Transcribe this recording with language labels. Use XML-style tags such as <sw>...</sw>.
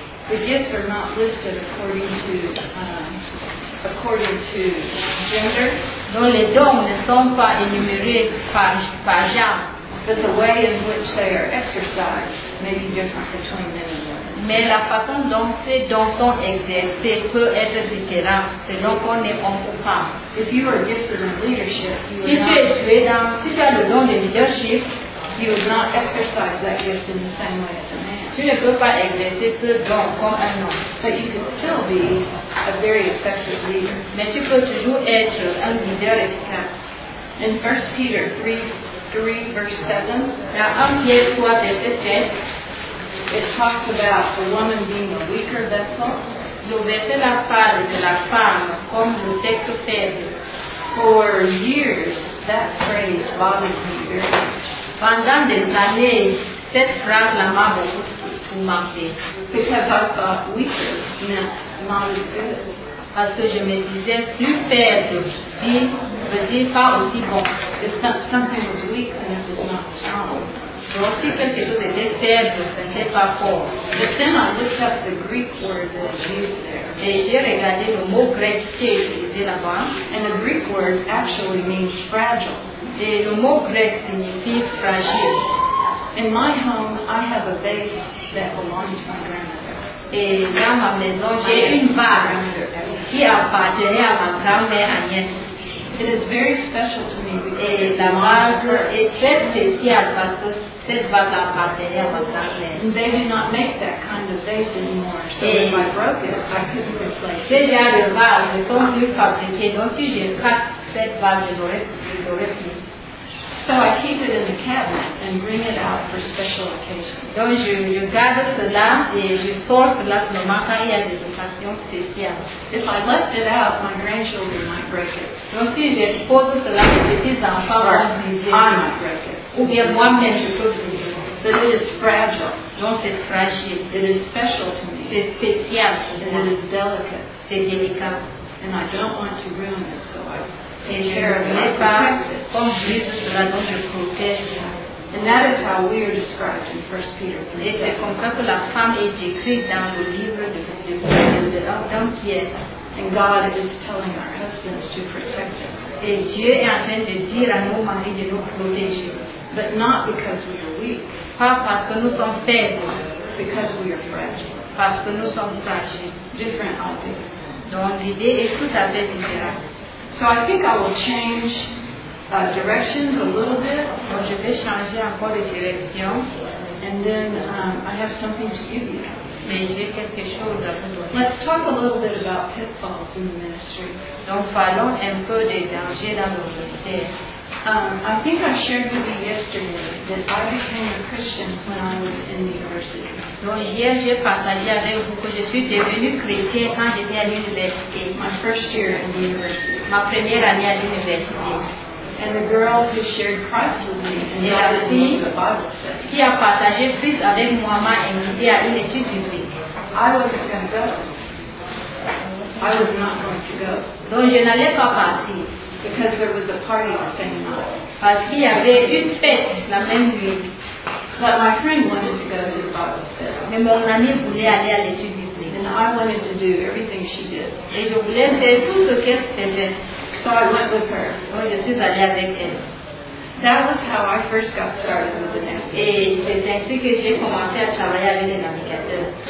<en>The gifts are not listed according to gender.</en> <fr>Donc les dons ne sont pas énumérés par genre.</fr> <en>But the way in which they are exercised may be different between men and women.</en> <fr>Mais la façon dont ces dons sont exercés peut être différente selon qu'on est homme ou femme.</fr> <en>If you are gifted in leadership,</en> <fr>si tu as le don de leadership,</fr> <en>you would not exercise that gift in the same way as a man.</en> <fr>Tu ne peux pas exercer ce don comme un homme.</fr> <en>But you can still be a very effective leader.</en> <fr>Mais tu peux toujours être un leader efficace.</fr> <en>In 1 Peter 3 verse 7,</en> <fr>dans 1 Pierre 3, verset 7,</fr> <en>it talks about the woman being a weaker vessel.</en> <fr>Le verset là parle de la femme comme le sexe faible.</fr> <en>For years, that phrase bothered me very much.</en> <fr>Pendant des années, cette phrase l'a beaucoup marqué.</fr> <en>Because I thought weaker meant not as good.</en> <fr>Parce que je me disais plus faible, veut dire pas aussi bon.</fr> <en>If something was weak, then it was not strong.</en> <fr>Donc si quelque chose était faible, ce n'était pas fort.</fr> <en>But then I looked up the Greek word that is used there.</en> <fr>Et j'ai regardé le mot grec qui est utilisé là-bas.</fr> <en>And the Greek word actually means fragile.</en> <fr>Et le mot grec signifie fragile.</fr> <en>In my home, I have a vase that belongs to my grandmother.</en> <fr>Et dans ma maison, j'ai une vase qui appartenait à ma grand-mère Agnès.</fr> <en>It is very special to me.</en> <fr>Et la vase est très spéciale parce que cette vase appartenait à ma grand-mère.</fr> <en>They do not make that kind of vase anymore. So if I broke it, I couldn't replace it.</en> <fr>Ces genres de vases ne sont plus fabriqués. Donc si je casse cette vase, je n'aurai plus.</fr> <en>So I keep it in the cabinet and bring it out for special occasions.</en> <fr>Donc je garde cela et je sors cela seulement quand il y a des occasions spéciales.</fr> <en>If I left it out, my grandchildren might break it.</en> <fr>Donc si je pose cela, mes petits-enfants vont briser.</fr> <en>I might break it.</en> <fr>Ou bien moi-même je peux briser.</fr> <en>But it is fragile.</en> <fr>Donc c'est fragile.</fr> <en>It is special to me.</en> <fr>C'est spécial.</fr> <en>And it is delicate.</en> <fr>C'est délicat.</fr> <en>And I don't want to ruin it, so I. And that is how we are described in 1 Peter 3.</en> <fr>C'est comme ça que la femme est décrite dans le livre de Pierre.</fr> <en>And God is telling our husbands to protect us.</en> <fr>Et Dieu est en train de dire à nos maris de nous protéger.</fr> <en>But not because we are weak.</en> <fr>Pas parce que nous sommes faibles.</fr> <en>Because we are fragile.</en> <fr>Parce que nous sommes fragiles.</fr> <en>Different idea.</en> <fr>Donc l'idée est tout à fait différente.</fr> <en>So I think I will change directions a little bit.</en> <fr>Donc je vais changer encore de direction.</fr> <en>And then I have something to give you.</en> <fr>Mais j'ai quelque chose à vous donner.</fr> <en>Let's talk a little bit about pitfalls in the ministry.</en> <fr>Donc parlons un peu des dangers dans le ministère.</fr> <en>I think I shared with you yesterday that I became a Christian when I was in the university.</en> <fr>Donc hier j'ai partagé avec vous que je suis devenu chrétien quand j'étais à l'université.</fr> <en>My first year in the university.</en> <fr>Ma première année à l'université.</fr> <en>And the girl who shared Christ with me and</en> <fr>la fille</fr> <en>the Bible study.</en> <fr>Qui a partagé Christ avec moi m'a invité à une étude biblique.</fr> <en>I wasn't going to go. I was not going to go.</en> <fr>Donc je n'allais pas partir.</fr> <en>Because there was a party the same night.</en> <fr>Parce qu'il y avait une fête la même nuit.</fr> <en>But my friend wanted to go to the Bible study.</en> <fr>Mais mon ami voulait aller à l'étude biblique.</fr> <en>And I wanted to do everything she did.</en> <fr>Et je voulais faire tout ce qu'elle faisait.</fr> <en>So I went with her.</en> <fr>Donc je suis allée avec elle.</fr> <en>That was how I first got started with the</en> <fr>navigateur. Et c'est ainsi que j'ai commencé à travailler avec les navigateurs.</fr>